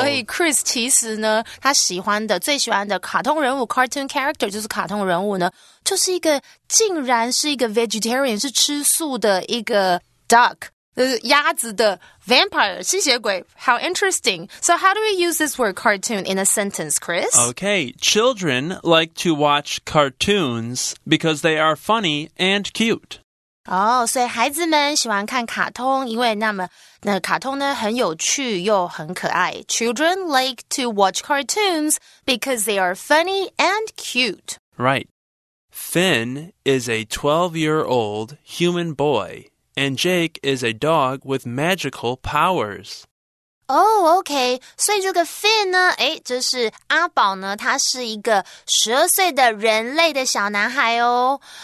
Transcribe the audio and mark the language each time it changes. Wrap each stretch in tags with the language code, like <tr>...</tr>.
<zh>所以 Chris 其实呢他喜欢的最喜欢的卡通人物 cartoon character 就是卡通人物呢就是一个竟然是一个 vegetarian, 是吃素的一个 duck, 鸭子的 vampire, 吸血鬼。</zh> <en>How interesting. So how do we use this word cartoon in a sentence, Chris? Okay, children like to watch cartoons because they are funny and cute.</en> <zh>Oh, 所以孩子们喜欢看卡通因为那么那卡通呢很有趣又很可爱。</zh> <en>Children like to watch cartoons because they are funny and cute. Right. Finn is a 12-year-old human boy, and Jake is a dog with magical powers. Oh, okay.</en> <zh>所以这个 Finn 呢，哎，就是阿宝呢，他是一个12岁的人类的小男孩哦。</zh>